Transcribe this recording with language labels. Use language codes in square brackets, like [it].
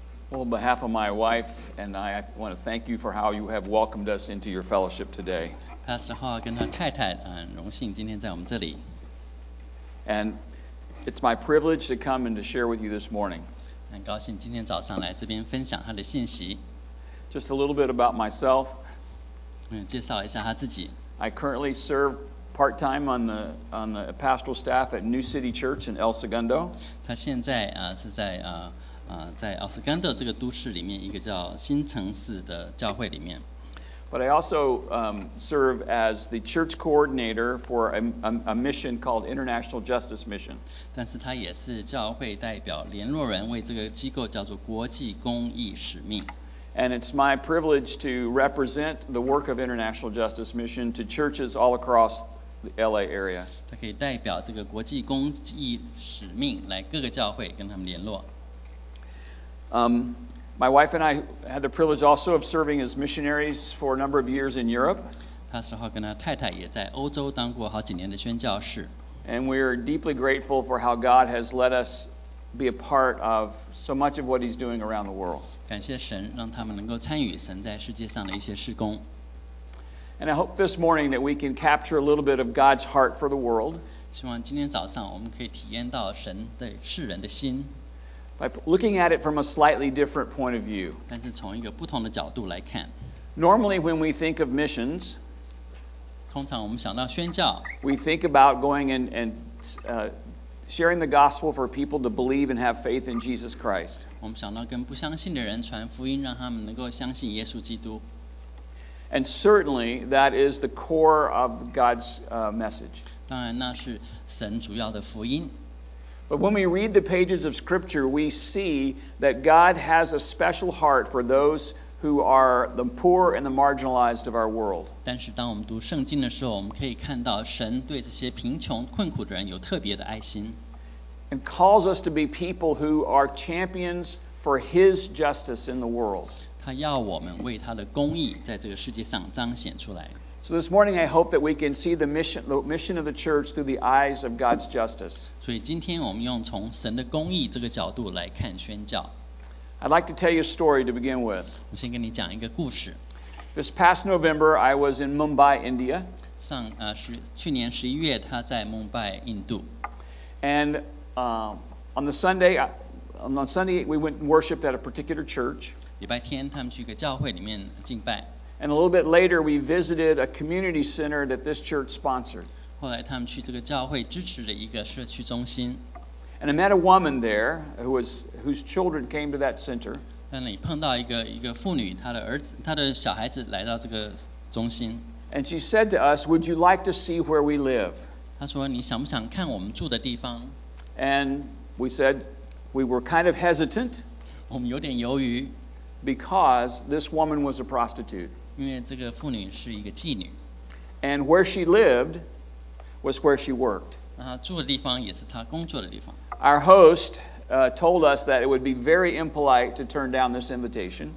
[en] Well, on behalf of my wife and I want to thank you for how you have welcomed us into your fellowship today. [zh] Pastor Hall 跟他太太，荣幸今天在我们这里。 [en] And it's my privilege to come and to share with you this morning. [zh] 很高兴今天早上来这边分享他的信息。 [en] Just a little bit about myself. [zh] 介绍一下他自己。 [en] I currently serve part-time on the pastoral staff at New City Church in El Segundo. [zh] 他现在是在在 El Segundo 这个都市里面一个叫新城市的教会里面。 [en] But I also serve as the church coordinator for a mission called International Justice Mission. [zh] 但是他也是教会代表联络人，为这个机构叫做国际公益使命。 [en] And it's my privilege to represent the work of International Justice Mission to churches all across the LA area. [zh] 他可以代表这个国际公益使命来各个教会跟他们联络。 [en] My wife and I had the privilege also of serving as missionaries for a number of years in Europe. [zh] Pastor Hall 跟他太太也在欧洲当过好几年的宣教士。 [en] And we are deeply grateful for how God has led us be a part of so much of what he's doing around the world. [zh] 感谢神，让他们能够参与神在世界上的一些事工。 [en] And I hope this morning that we can capture a little bit of God's heart for the world. [zh] 希望今天早上我们可以体验到神对世人的心。 [en] By looking at it from a slightly different point of view. [zh] 但是从一个不同的角度来看。 [en] Normally, when we think of missions, [zh] 通常我们想到宣教。 [en] We think about going and sharing the gospel for people to believe and have faith in Jesus Christ. [zh] 我们想到跟不相信的人传福音，让他们能够相信耶稣基督。 [en] And certainly, that is the core of God's message. [zh] 当然，那是神主要的福音。 [en] But when we read the pages of Scripture, we see that God has a special heart for those who are the poor and the marginalized of our world. [zh] 但是当我们读圣经的时候，我们可以看到神对这些贫穷困苦的人有特别的爱心。 [en] And calls us to be people who are champions for His justice in the world. [zh] 他要我们为他的公义在这个世界上彰显出来。 [en] So this morning, I hope that we can see the mission of the church through the eyes of God's justice. [zh] 所以今天我们用从神的公义这个角度来看宣教。 [en] I'd like to tell you a story to begin with. [zh] 我先跟你讲一个故事。 [en] This past November, I was in Mumbai, India. [zh] 去年11月，他在孟买，印度。 [en] And on Sunday, we went and worshipped at a particular church. [zh] 礼拜天，他们去一个教会里面敬拜。 [en] And a little bit later, we visited a community center that this church sponsored. [zh] 后来他们去这个教会支持的一个社区中心。 [en] And I met a woman there whose children came to that center. [zh] 那里碰到一个妇女，她的小孩子来到这个中心。 [en] And she said to us, "Would you like to see where we live?" [zh] 她说你想不想看我们住的地方 [en] ？And we said we were kind of hesitant. [zh] 我们有点犹豫。 [en] Because this woman was a prostitute. [zh] 因为这个妇女是一个妓女。 [en] And where she lived was where she worked. [zh] 她住的地方也是她工作的地方。 [en] Our host told us that it would be very impolite to turn down this invitation.